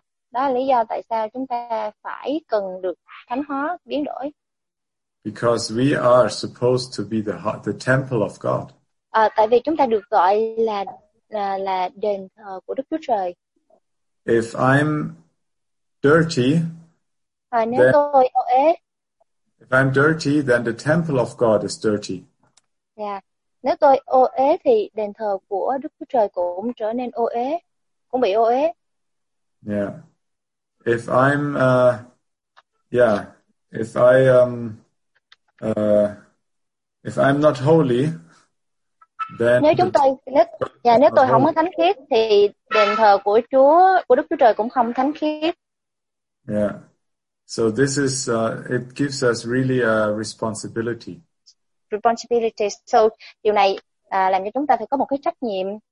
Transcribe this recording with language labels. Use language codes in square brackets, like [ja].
[vi] Đó là lý do tại sao chúng ta phải cần được thánh hóa, biến đổi. [en] Because we are supposed to be the temple of God. [vi] Tại vì chúng ta được gọi là đền thờ của Đức Chúa Trời. [en] If I'm dirty, if I'm dirty, then the temple of God is dirty. Yeah. [vi] Nếu tôi ô uế thì đền thờ của Đức Chúa Trời cũng trở nên ô uế, cũng bị ô uế. [en] Yeah. If I'm if I'm not holy, then [vi] nếu tôi không có thánh khiết thì đền thờ của Đức Chúa Trời cũng không thánh khiết. [en] Yeah. So this is it gives us really a responsibility. Responsibility. [vi] So điều này làm cho chúng ta phải có một cái trách nhiệm.